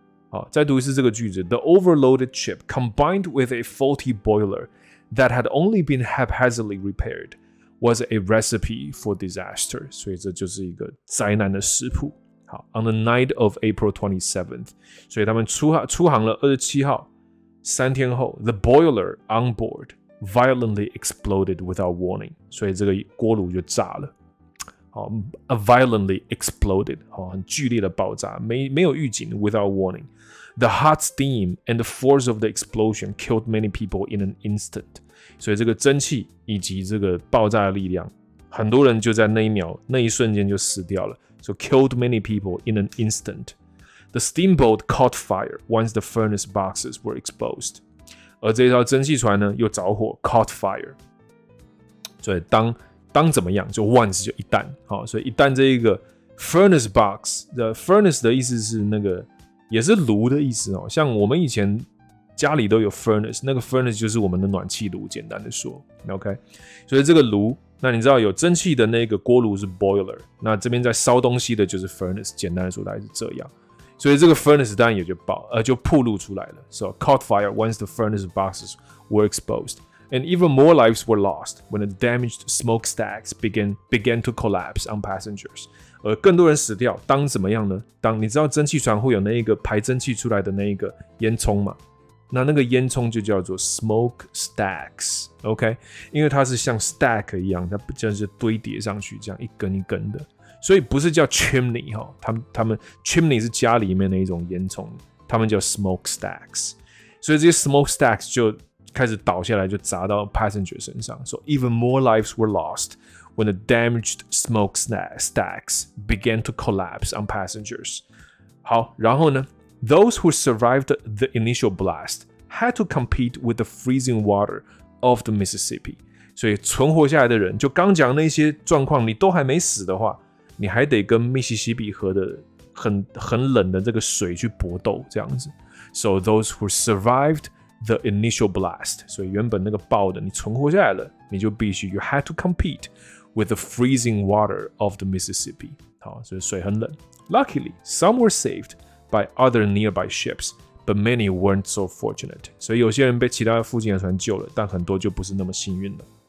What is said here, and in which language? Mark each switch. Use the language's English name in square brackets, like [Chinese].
[Chinese] 好，再读一次这个句子 [English] ：The overloaded ship, combined with a faulty boiler that had only been haphazardly repaired, was a recipe for disaster. [Chinese] 所以这就是一个灾难的食谱。 [English] 好 ，On the night of April 27th, [Chinese] 所以他们出航了27号，三天后 [English] ，the boiler on board violently exploded without warning. [Chinese] 所以这个锅炉就炸了。好 ， [English] a violently exploded， [Chinese] 好，很剧烈的爆炸，没有预警 ， [English] without warning。 The hot steam and the force of the explosion killed many people in an instant. [Chinese] 所以这个蒸汽以及这个爆炸的力量，很多人就在那一秒、那一瞬间就死掉了。 [English] So killed many people in an instant. The steamboat caught fire once the furnace boxes were exposed. [Chinese] 而这条蒸汽船呢，又着火 ， [English] caught fire. [Chinese] 所以当怎么样，就 once 就一旦，好，所以一旦这一个 furnace box， the furnace 的意思是那个。也是炉的意思哦，像我们以前家里都有 furnace， 那个 furnace 就是我们的暖气炉，简单的说 ，OK。所以这个炉，那你知道有蒸汽的那个锅炉是 boiler， 那这边在烧东西的就是 furnace， 简单的说大概是这样。所以这个 furnace 当然也就爆，就暴露出来了。 [English] So caught fire once the furnace boxes were exposed, and even more lives were lost when the damaged smokestacks began to collapse on passengers. [Chinese] 更多人死掉，当怎么样呢？当你知道蒸汽船会有那一个排蒸汽出来的那一个烟囱嘛？那那个烟囱就叫做 smoke stacks, OK? 因为它是像 stack 一样，它就是堆叠上去，这样一根一根的，所以不是叫 chimney 哈，他们 chimney 是家里面的一种烟囱，他们叫 smoke stacks, 所以这些 smoke stacks 就开始倒下来，就砸到 passenger 身上。 [English] So even more lives were lost when the damaged smoke stacks began to collapse on passengers. [Chinese] 好，然后呢？ [English] Those who survived the initial blast had to compete with the freezing water of the Mississippi. [Chinese] 所以存活下来的人，就刚讲那些状况，你都还没死的话，你还得跟密西西比河的很冷的这个水去搏斗，这样子。 [English] So those who survived the initial blast, [Chinese] 所以原本那个爆的，你存活下来了，你就必须 [English] you had to compete with the freezing water of the Mississippi. [Chinese] 好，所以水很冷。 [English] Luckily, some were saved. By other nearby ships, but many weren't so fortunate. [Chinese] 所以有些人被其他附近的船救了，但很多就不是那么幸运了。